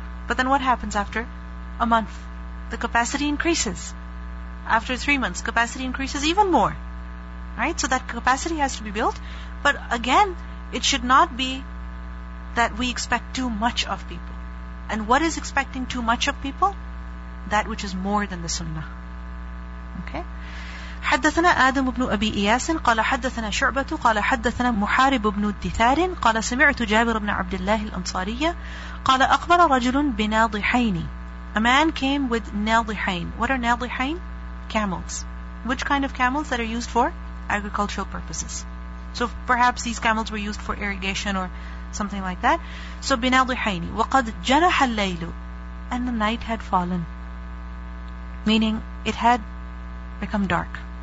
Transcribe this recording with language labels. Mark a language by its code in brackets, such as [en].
[en] But then what happens after a month? The capacity increases. After 3 months, capacity increases even more. Right? So that capacity has to be built. But again, it should not be that we expect too much of people. And what is expecting too much of people? That which is more than the sunnah. Okay? [ar] حدثنا آدم بن أبي إياس قال حدثنا شعبة قال حدثنا محارب بن الدثار قال سمعت جابر بن عبد الله الأنصارية قال أقبل رجل بناضحين. [en] A man came with ناضحين. What are ناضحين? Camels. Which kind of camels that are used for agricultural purposes? So perhaps these camels were used for irrigation or something like that. So بناضحين. [ar] وقد جنح الليل. [en] And the night had fallen. Meaning it had become dark.